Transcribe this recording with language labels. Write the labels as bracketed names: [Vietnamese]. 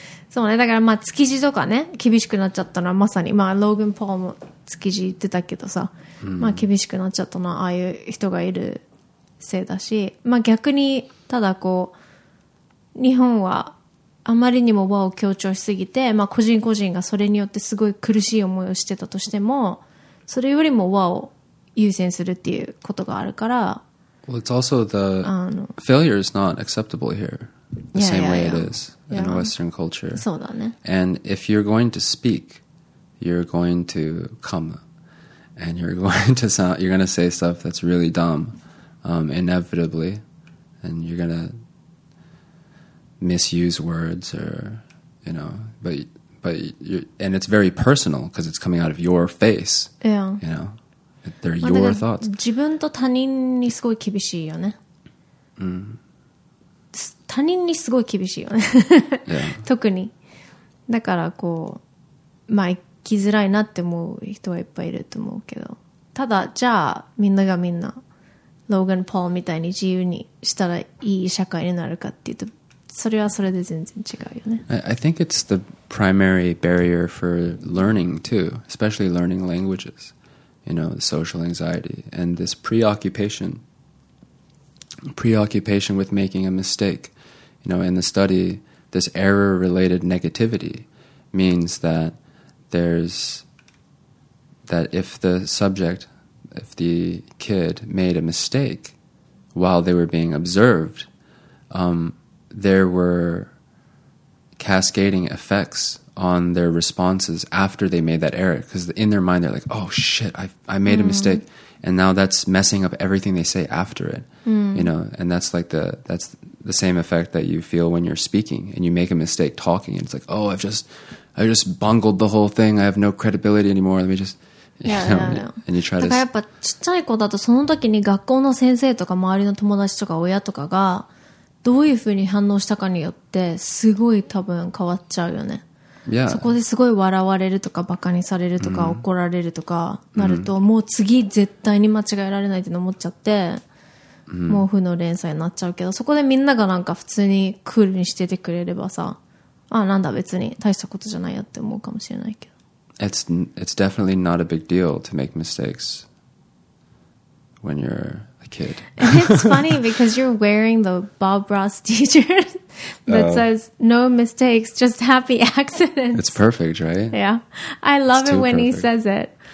[Japanese] そうね、だからまあ築地とかね厳しくなっちゃったのはまさに、まあ、ローグン・ポールも築地行ってたけどさ、まあ、厳しくなっちゃったのはああいう人がいるせいだし、まあ、逆にただこう日本はあまりにも和を強調しすぎて、まあ、個人個人がそれによってすごい苦しい思いをしてたとしてもそれよりも和を優先するっていうことがあるから [English] Well, it's also the failure is not acceptable here. The same way it is in Western culture. [Japanese] そうだね。 [English] And if you're going to speak, you're going to come, and you're going to sound, you're going to say stuff that's really dumb, inevitably, and you're going to misuse words or, you know, but it's very personal because it's coming out of your face. Yeah. You know, they're your thoughts. [Japanese] 自分と他人にすごい厳しいよね。他人にすごい厳しいよね特にだからこうまあ生きづらいなって思う人はいっぱいいると思うけどただじゃあみんながみんなローガン・ポールみたいに自由にしたらいい社会になるかっていうとそれはそれで全然違うよね [English] I think it's the primary barrier for learning too especially learning languages you know social anxiety and this preoccupation with making a mistake. You know, in the study, this error-related negativity means that if the kid made a mistake while they were being observed, there were cascading effects on their responses after they made that error. Because in their mind, they're like, oh, shit, I made a mistake. And now that's messing up everything they say after it, you know. And that's like that's the same effect that you feel when you're speaking and you make a mistake talking. And it's like, oh, I just bungled the whole thing. I have no credibility anymore. Let me just, you know. And you try to. [Japanese] だからやっぱちっちゃい子だとその時に学校の先生とか周りの友達とか親とかがどういうふうに反応したかによってすごい多分変わっちゃうよね。 [English] Yeah. [Japanese] そこですごい笑われるとかバカにされるとか怒られるとかなると、もう次絶対に間違えられないって思っちゃって、毛布の連鎖になっちゃうけど、そこでみんながなんか普通にクールにしててくれればさ、あ、なんだ別に大したことじゃないやって思うかもしれないけど。 [English] It's definitely not a big deal to make mistakes when you're a kid. It's funny because you're wearing the Bob Ross T-shirt that says "No mistakes, just happy accidents." It's perfect, right? Yeah, I love it when he says it.